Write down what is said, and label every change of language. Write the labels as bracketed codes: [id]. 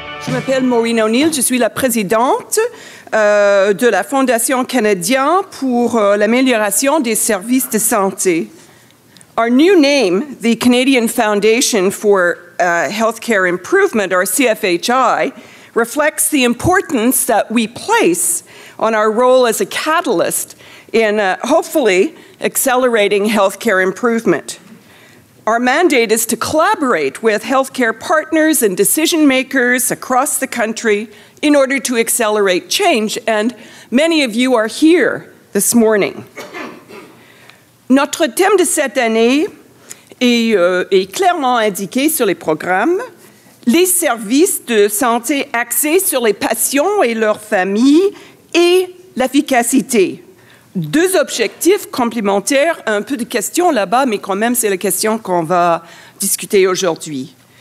[fr] m'appelle Maureen O'Neill, je suis la présidente de la Fondation canadienne pour l'amélioration des services de santé. [en] Our new name, the Canadian Foundation for Healthcare Improvement, or CFHI, reflects the importance that we place on our role as a catalyst in hopefully accelerating healthcare improvement. Our mandate is to collaborate with healthcare partners and decision makers across the country in order to accelerate change, and many of you are here this morning. [fr] Notre thème de cette année est clairement indiqué sur les programmes. Les services de santé axés sur les patients et leurs familles et l'efficacité. Deux objectifs complémentaires, un peu de questions là-bas, mais quand même c'est la question qu'on va discuter aujourd'hui.